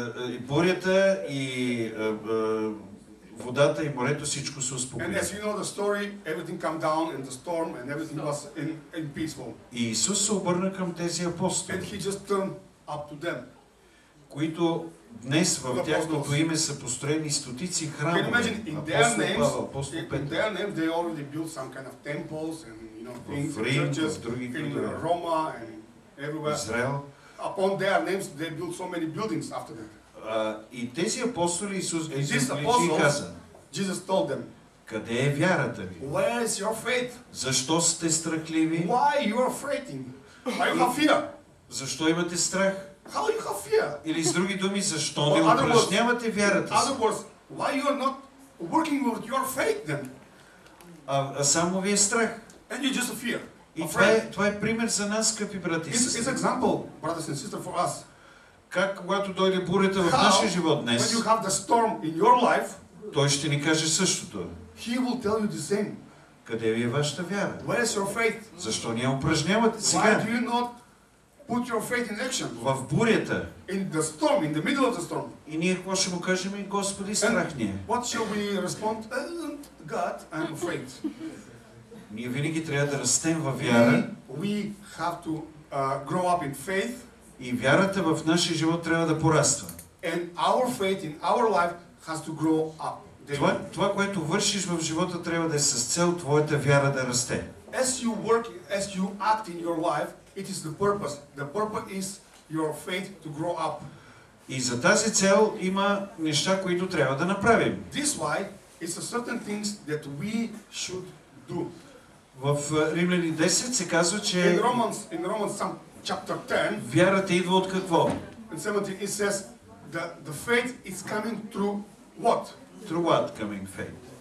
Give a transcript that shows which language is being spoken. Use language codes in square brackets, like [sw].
[bg] И бурята и водата и морето всичко се успокои. [en] And as you know the story, everything came down and the storm and everything was in peaceful. [bg] И Исус се обърна към тези апостоли. [en] And he just turned up to them. [bg] Които днес в тяхното име са построени стотици храмове. [en] Can you imagine in their names, they already built some kind of temples and you know things, [bg] Рим, [en] churches, [bg] други [en] in Roma and everywhere. Israel. Upon their names, they built so many buildings after that. [bg] И тези апостоли Исус каза, [en] Jesus told them, [bg] къде е вярата ви? [en] Where is your faith? [bg] Защо сте страхливи? [en] Why you are afraid? Why you have fear? [bg] Защо имате страх? [en] How you have fear? [bg] Или с други думи, защо не упражнявате вярата си? [en] Other words, why you are not working with your faith then? [bg] А само ви е страх. [en] And you just fear. [bg] И това е пример за нас, скъпи брати. [en] It's example, brothers and sisters, for us. [bg] Как когато дойде бурята в нашия живот днес, [en] when you have the storm in your life, [bg] той ще ни каже същото. [en] He will tell you the same. [bg] Къде ви е вашата вяра? [en] Where is your faith? [bg] Защо не я упражнявате сега? [en] Why do you not put your faith in action? [bg] В бурята. [en] In the storm, in the middle of the storm. [bg] И ние какво ще му кажем? Господи, страх ни е. [en] What shall we respond? God, I'm afraid. [bg] Ние винаги трябва да растем във вяра. [en] We have to grow up in faith. [bg] И вярата в нашия живот трябва да пораства. [en] And our faith in our life has to grow up. [bg] Това, което вършиш в живота, трябва да е с цел твоята вяра да расте. [en] As you work, as you act in your life, it is the purpose. The purpose is your faith to grow up. [bg] И за тази цел има неща, които трябва да направим. [en] This why is a certain things that we should do. [bg] В Римляни 10 се казва, че [en] In Romans some chapter 10. [bg] Вярата идва от какво? [en] In 17 it says that the faith is coming through what? Through what coming faith?